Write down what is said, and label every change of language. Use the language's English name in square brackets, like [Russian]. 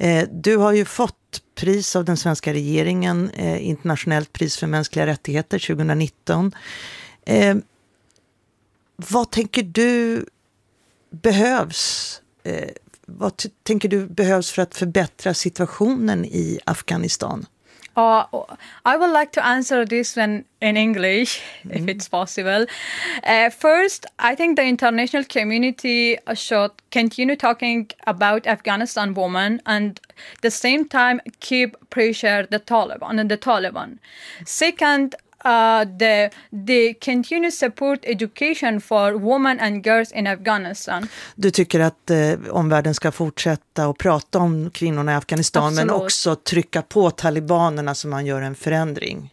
[Swedish] Du har ju fått pris av den svenska regeringen, internationellt pris för mänskliga rättigheter 2019. Vad tänker du behövs? Vad tänker du behövs för att förbättra situationen i Afghanistan? [English] I would like to answer this one in English, if it's possible. First, I think the international community should continue talking about Afghanistan women and at the same time keep pressure the Taliban and the Taliban. Second, the continuous support education for women and girls in Afghanistan. [Swedish] Du tycker att omvärlden ska fortsätta att prata om kvinnorna i Afghanistan. Absolut. Men också trycka på talibanerna så man gör en förändring.